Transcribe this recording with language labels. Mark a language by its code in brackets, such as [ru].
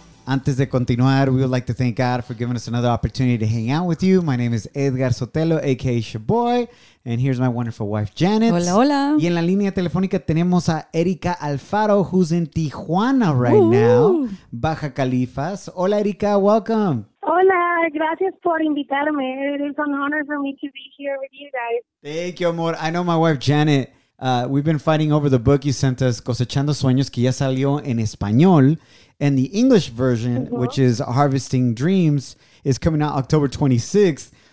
[es] Antes de continuar, [en] we would like to thank God for giving us another opportunity to hang out with you. My name is Edgar Sotelo, a.k.a. Shaboy. And here's my wonderful wife, Janet. [es] Hola, hola. Y en la línea telefónica tenemos a Erika Alfaro, [en] who's in Tijuana right now, [es] Baja Califas. Hola, Erika. [en] Welcome. [es] Hola. Gracias por invitarme. [en] It is an honor for me to be here with you guys. Thank you, amor. I know my wife, Janet. We've been fighting over the book you sent us, Cosechando Sueños, [es] que ya salió en español. [en] And the English version, which is Harvesting Dreams, is coming out October 26th.